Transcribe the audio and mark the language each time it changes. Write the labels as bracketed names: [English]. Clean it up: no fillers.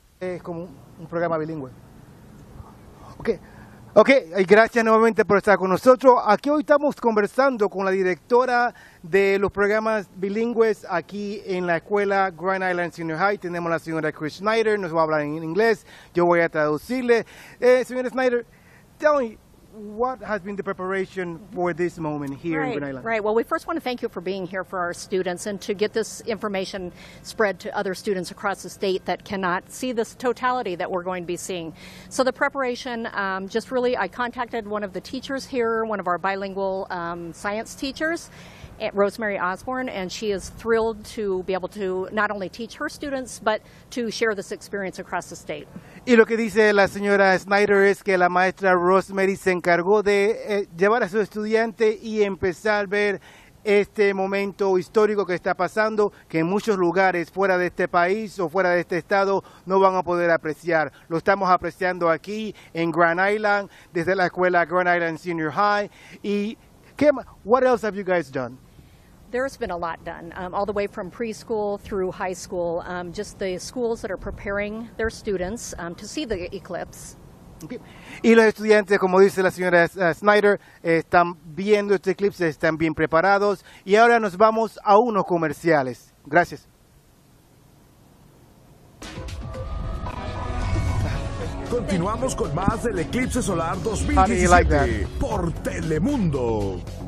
[Spanish] Es como un programa bilingüe. Ok, y gracias nuevamente por estar con nosotros. Aquí hoy estamos conversando con la directora de los programas bilingües aquí en la escuela Grand Island Senior High. Tenemos a la señora Chris Snyder, nos va a hablar en inglés. Yo voy a traducirle. [English] Señora Snyder, tell me, what has been the preparation for this moment here in Grand Island? Right. Well, we first want to thank you for being here for our students and to get this information spread to other students across the state that cannot see this totality that we're going to be seeing. So the preparation, I contacted one of the teachers here, one of our bilingual science teachers, Rosemary Osborne, and she is thrilled to be able to not only teach her students, but to share this experience across the state. [Spanish] Y lo que dice la señora Snyder es que la maestra Rosemary se encargó de llevar a su estudiante y empezar a ver este momento histórico que está pasando, que en muchos lugares fuera de este país o fuera de este estado no van a poder apreciar. Lo estamos apreciando aquí en Grand Island, desde la escuela Grand Island Senior High. [English] Y Kim, what else have you guys done? There's been a lot done, all the way from preschool through high school, just the schools that are preparing their students to see the eclipse. [Spanish] Y los estudiantes, como dice la señora Snyder, están viendo este eclipse, están bien preparados. Y ahora nos vamos a unos comerciales. Gracias. Continuamos con más del Eclipse Solar 2017 like por Telemundo.